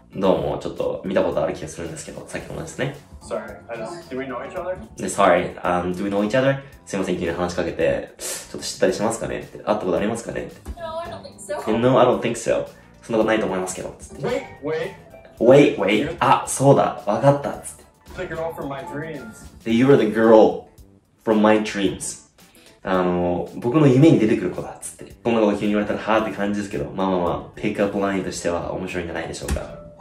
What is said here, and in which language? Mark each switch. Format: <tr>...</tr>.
<ja>どうも、ちょっと見たことある気がするんですけど、さっきのものですね。</ja> <en>Sorry, do we know each other? Sorry, do we know each other?</en> <ja>すいません、急に話しかけて、ちょっと知ったりしますかねって、会ったことありますかねって。</ja> <en>No, I don't think so. No, I don't think so.</en> <ja>そんなことないと思いますけど、つって。</ja> <en>Wait, wait. Wait, wait.</en> <ja>あ、そうだ、わかった、つって。</ja> <en>The girl from my dreams. You are the girl from my dreams.</en> <ja>僕の夢に出てくる子だ、つって。こんなこと急に言われたら、はぁって感じですけど、まあまあまあ、ピックアップラインとしては面白いんじゃないでしょうか。</ja>